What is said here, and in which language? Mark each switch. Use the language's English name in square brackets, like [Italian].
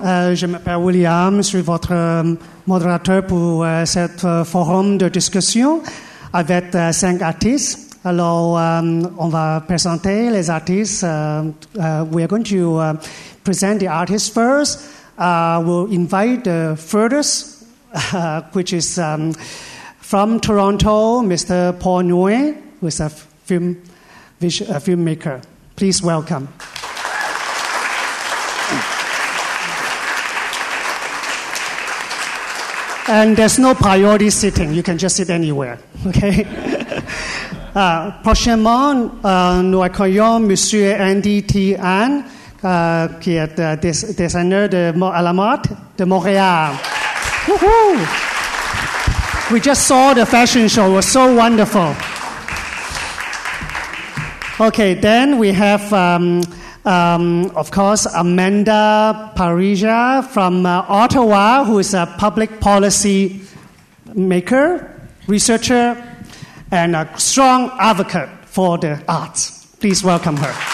[French] Je m'appelle William, je suis votre modérateur pour cette forum de discussion avec cinq artistes. Alors, on va présenter les artistes. [English] We are going to present the artists first. We'll invite the furthest, which is from Toronto, Mr. Paul Nguyen, who is a filmmaker. Please welcome. And there's no priority sitting. You can just sit anywhere. Okay. [French] prochainement, nous accueillons Monsieur Andy T. An, qui est designer de à la mode de Montréal. Woohoo! [English] We just saw the fashion show. It was so wonderful. Okay. Then we have, of course, Amanda Parija from Ottawa, who is a public policy maker, researcher, and a strong advocate for the arts. Please welcome her.